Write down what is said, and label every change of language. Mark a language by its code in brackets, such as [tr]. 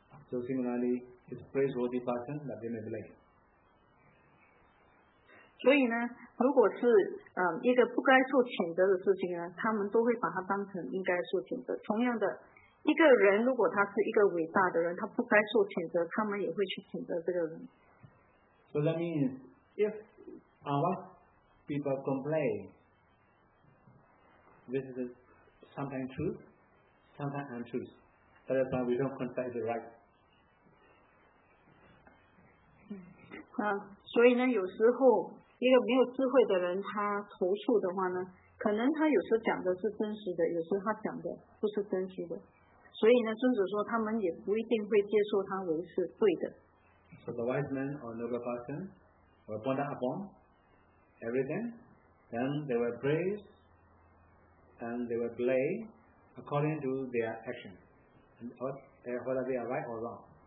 [en] So similarly. It's praiseworthy person that they may blame. [zh] 所以呢，如果是一个不该受谴责的事情呢，他们都会把它当成应该受谴责。同样的，一个人如果他是一个伟大的人，他不该受谴责，他们也会去谴责这个人。 [en] So that means if unwise people complain, this is sometimes truth, sometimes untruth. That is why we don't consider the right. [zh] 所以呢，有时候一个没有智慧的人，他投诉的话呢，可能他有时候讲的是真实的，有时候他讲的不是真实的。所以呢，尊者说他们也不一定会接受他为是对的。 [en] So the wise man or noble person will ponder upon everything, then they will praise and they will blame according to their action, and whether they are right or wrong.